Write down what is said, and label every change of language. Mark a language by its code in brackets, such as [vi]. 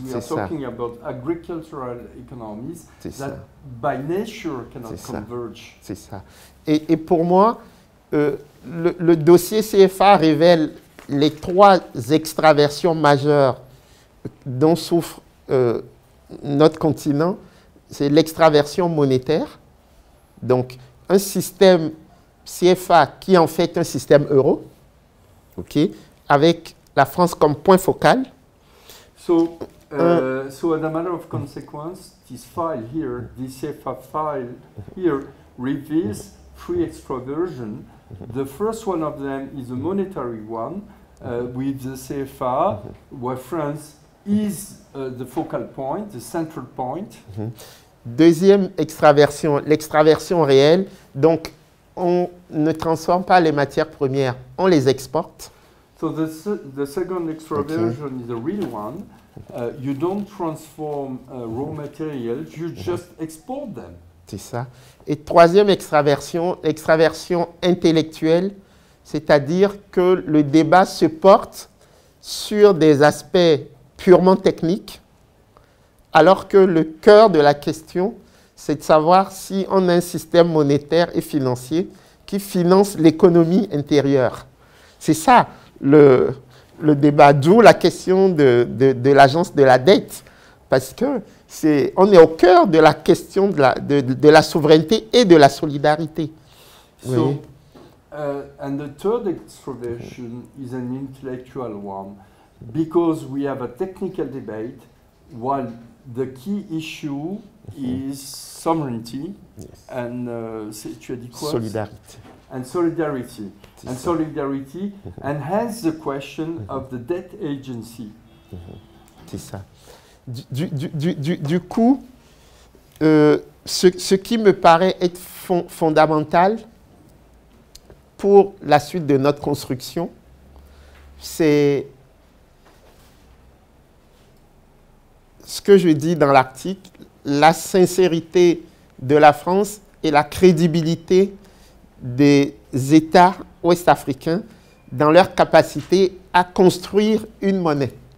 [en] We are talking about agricultural economies that, by nature, cannot converge. [fr] C'est ça. Et pour moi, le dossier CFA révèle les trois extraversions majeures dont souffre notre continent. C'est l'extraversion monétaire. Donc, un système CFA qui est en fait un système euro, okay, avec la France comme point focal. [en] So as a matter of consequence, this file here, this CFA file here, reveals three extraversions. The first one of them is a monetary one with the CFA, where France is the focal point, the central point. [fr] Deuxième extraversion, l'extraversion réelle. Donc, on ne transforme pas les matières premières, on les exporte. [en] So the second extraversion is a real one. You don't transform raw materials, you just export them. [fr] C'est ça. Et troisième extraversion, l'extraversion intellectuelle, c'est-à-dire que le débat se porte sur des aspects purement techniques, alors que le cœur de la question, c'est de savoir si on a un système monétaire et financier qui finance l'économie intérieure. C'est ça le débat, d'où la question de l'agence de la dette, parce qu'on est au cœur de la question de la souveraineté et de la solidarité. Oui. [en] So, and the third extraversion is an intellectual one, because we have a technical debate, while the key issue is sovereignty and solidarity. And solidarity. And solidarity, and hence the question of the debt agency. [fr] C'est ça. Du coup, ce qui me paraît être fondamental pour la suite de notre construction, c'est ce que je dis dans l'article, la sincérité de la France et la crédibilité des États ouest-africains dans leur capacité à construire une monnaie.